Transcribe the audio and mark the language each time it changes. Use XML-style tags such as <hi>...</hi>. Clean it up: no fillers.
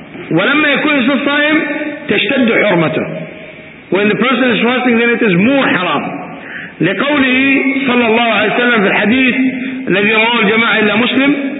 <ar>ولما يكون الصائم تشتد حرمته.</ar> <en>When the person is fasting, then it is more حرام.</en> <ar>لقوله صلى الله عليه وسلم في الحديث الذي رواه الجماعة إلا مسلم.</ar>